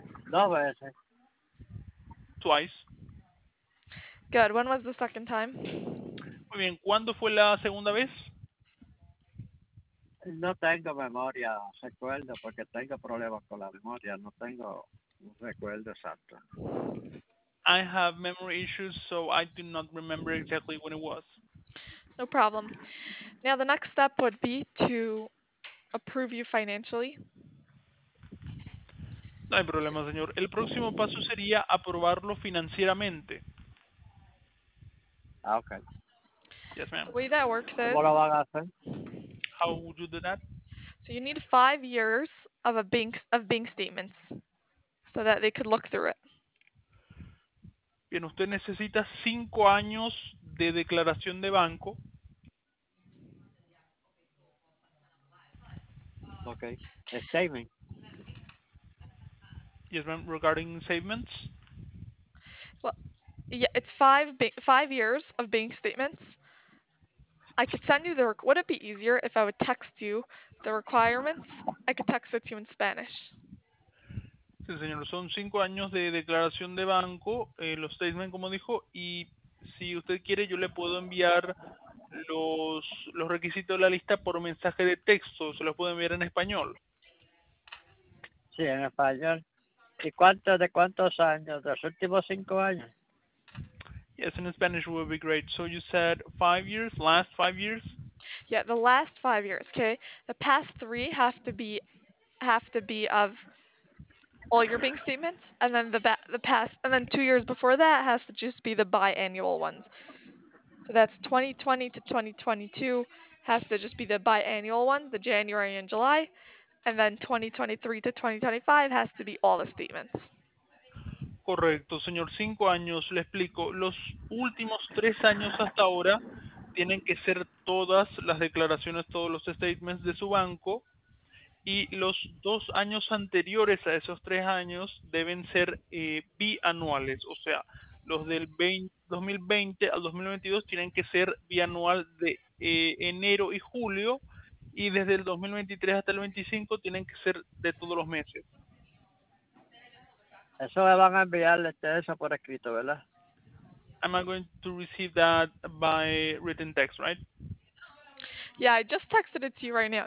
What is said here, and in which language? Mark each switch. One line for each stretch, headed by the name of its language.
Spanish: Dos veces.
English: Twice. Good. When was the second time?
Spanish: Muy bien. ¿Cuándo fue la segunda vez? No tengo memoria, recuerdo, porque tengo problemas con la memoria. No tengo un recuerdo exacto.
English: I have memory issues, so I do not remember exactly when it was. No problem. Now, the next step would be to approve you financially.
Spanish: No hay problema, señor. El próximo paso sería aprobarlo financieramente.
English: Okay. Yes, ma'am. The way that works is...
Spanish: ¿Cómo lo van a hacer?
English: How would you do that? So you need 5 years of a bank statements so that they could look through it.
Spanish: Bien, usted necesita 5 años de declaración de banco.
English: Okay, a statement. Yes, ma'am, regarding statements? Well, yeah, it's five years of bank statements. I could send you the would it be easier if I would text you the requirements? I could text it to you in Spanish.
Spanish: Sí, señor, son 5 años de declaración de banco, los statements, como dijo, y si usted quiere, yo le puedo enviar los requisitos de la lista por mensaje de texto. Se los puedo enviar en español. Sí, en español. ¿Y de cuántos años? ¿De los últimos 5 años?
English: Yes, in Spanish would be great. So you said 5 years, last 5 years? Yeah, the last 5 years, okay. The past three have to be of... all your bank statements, and then the past, and then 2 years before that has to just be the biannual ones. So that's 2020 to 2022 has to just be the biannual ones, the January and July, and then 2023 to 2025 has to be all the statements.
Spanish: Correcto, señor. 5 años, le explico. Los últimos 3 años hasta ahora tienen que ser todas las declaraciones, todos los statements de su banco. Y los 2 años anteriores a esos 3 años deben ser bianuales. O sea, los del 2020 al 2022 tienen que ser bianual de enero y julio. Y desde el 2023 hasta el 25 tienen que ser de todos los meses. Eso me van a enviarle ustedes por escrito, ¿verdad?
English: I'm not going to receive that by written text, right? Yeah, I just texted it to you right now.